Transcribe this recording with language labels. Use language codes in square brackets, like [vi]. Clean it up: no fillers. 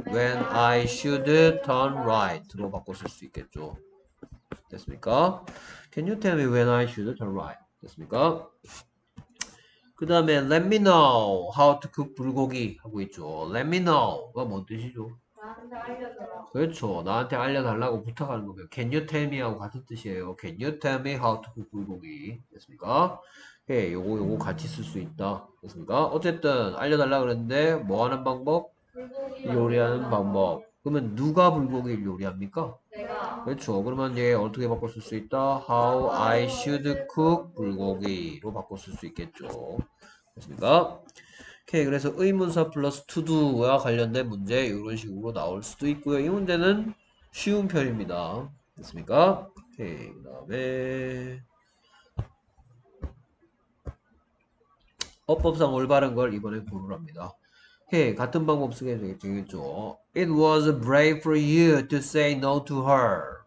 [en] When I should turn right [ko] 로 바꿔 쓸수 있겠죠. 됐습니까? [en] Can you tell me when I should turn right? [ko] 됐습니까? 그 다음에 [en] let me know how to cook [ko] 불고기 하고 있죠. [en] Let me know [ko] 가 뭔 뜻이죠? 그렇죠. 나한테 알려달라고 부탁하는 거예요. [en] Can you tell me [ko] 하고 같은 뜻이에요. [en] Can you tell me how to cook 불고기? [ko] 됐습니까? 예, 요거 같이 쓸수 있다. 됐습니까? 어쨌든 알려달라고 그랬는데 뭐 하는 방법? 요리하는 방법. 그러면 누가 불고기를 요리합니까? 내가. 그렇죠. 그러면 얘 어떻게 바꿀 수 있다? [en] How I should cook [ko] 불고기로 바꿀 수 있겠죠. 됐습니까? 오케이. 그래서 의문사 플러스 to do와 관련된 문제 이런 식으로 나올 수도 있고요. 이 문제는 쉬운 편입니다. 됐습니까? 오케이. 그다음에 어법상 올바른 걸 이번에 고르랍니다. 오케이. 같은 방법 쓰게 되겠죠. [en] It was brave for you to say no to her.